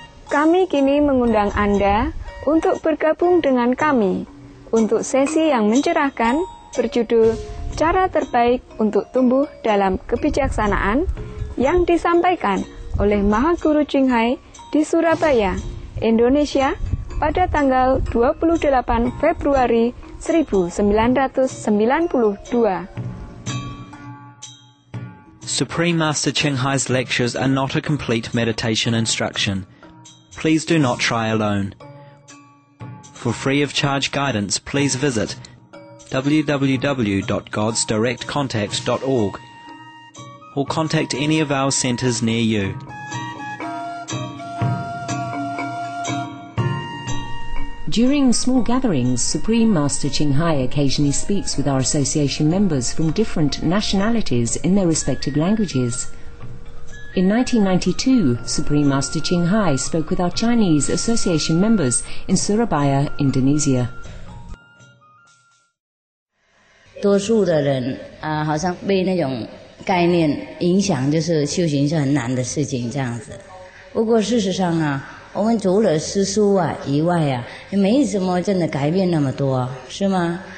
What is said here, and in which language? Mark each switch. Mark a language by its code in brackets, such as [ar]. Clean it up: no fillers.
[id] Kami kini mengundang Anda untuk bergabung dengan kami untuk sesi yang mencerahkan berjudul Cara Terbaik Untuk Tumbuh Dalam Kebijaksanaan yang disampaikan oleh Maha Guru Jinghai di Surabaya, Indonesia pada tanggal 28 Februari 1992. [en] Supreme Master Jinghai's lectures are not a complete meditation instruction. Please do not try alone. For free of charge guidance, please visit www.godsdirectcontact.org or contact any of our centers near you. During small gatherings, Supreme Master Jinghai occasionally speaks with our association members from different nationalities in their respective languages. In 1992, Supreme Master Jinghai spoke with our Chinese association members in Surabaya, Indonesia. [zh] 多数的人好像被那种概念影响，就是修行是很难的事情这样子。不过事实上啊，我们除了诗书啊以外啊，也没什么真的改变那么多，是吗？